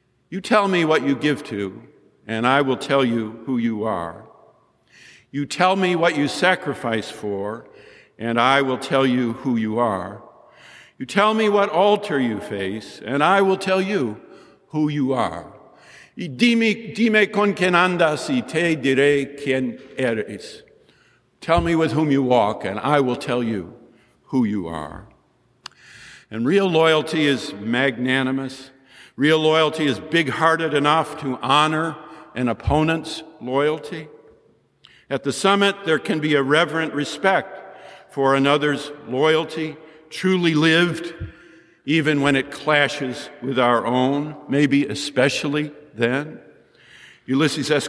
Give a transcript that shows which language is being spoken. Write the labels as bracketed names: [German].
[English] You tell me what you give to, and I will tell you who you are. You tell me what you sacrifice for, and I will tell you who you are. You tell me what altar you face, and I will tell you who you are. [Spanish] Y dime con quien andas y te diré quien eres. [English] Tell me with whom you walk, and I will tell you who you are. And real loyalty is magnanimous. Real loyalty is big-hearted enough to honor an opponent's loyalty. At the summit, there can be a reverent respect for another's loyalty, truly lived, even when it clashes with our own, maybe especially then. Ulysses S.